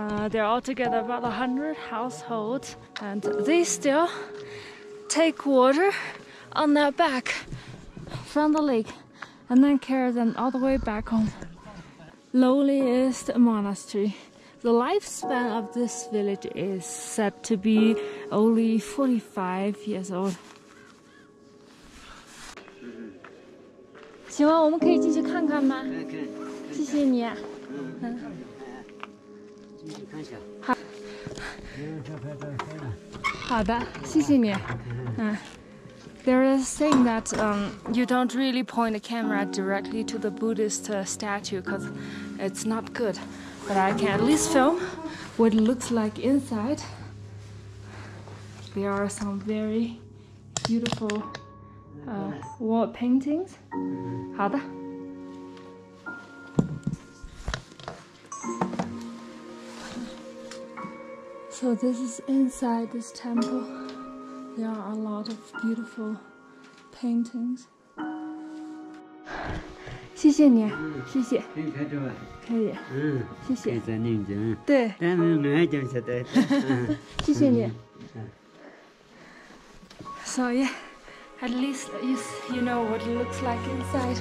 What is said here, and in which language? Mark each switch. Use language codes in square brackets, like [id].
[en] They're all together about 100 households, and they still take water on their back from the lake and then carry them all the way back home. Lowliest monastery. The lifespan of this village is said to be only 45 years old. [zh] 行了，我们可以进去看看吗？谢谢你。好的，谢谢你。 [en] There is a saying that you don't really point the camera directly to the Buddhist statue because it's not good. But I can at least film what it looks like inside. There are some very beautiful wall paintings. [zh] 好的。 [en] So this is inside this temple. There are a lot of beautiful paintings. [zh] 谢谢你，谢谢。可以拍照吗？可以。嗯，谢谢。可以再认真。对。但是我还讲实在。谢谢你。So [en] yeah, at least you know what it looks like inside.